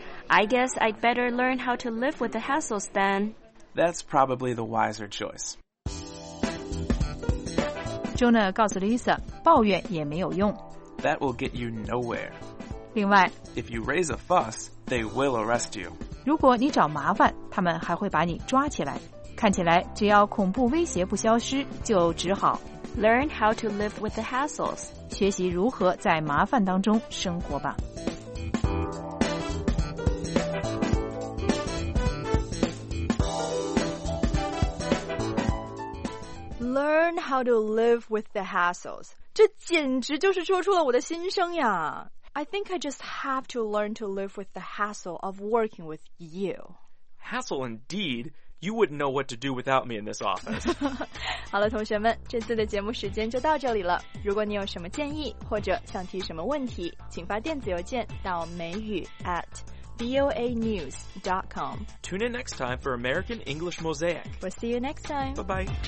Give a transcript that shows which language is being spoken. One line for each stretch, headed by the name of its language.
English: I guess I'd better learn how to live with the hassles then. That's probably the wiser choice.
Chinese: Jonah 告诉 Lisa, 抱怨也没有用。
English: That will get you nowhere.
Chinese: 另外，
English: If you raise a fuss, they will arrest you.
Chinese: 如果你找麻烦，他们还会把你抓起来。看起来，只要恐怖威胁不消失，就只好
English: Learn how to live with the hassles.
Chinese: 学习如何在麻烦当中生活吧。
English: Learn how to live with the hassles.
Chinese: 这简直就是说出了我的心声呀。
English: I think I just have to learn to live with the hassle of working with you. Hassle indeed. You wouldn't know what to do without me in this office.
Chinese: 好了，同学们，这次的节目时间就到这里了。如果你有什么建议或者想提什么问题，请发电子邮件到美语 @voanews.com.
English: Tune in next time for American English Mosaic. We'll see you next time. Bye-bye.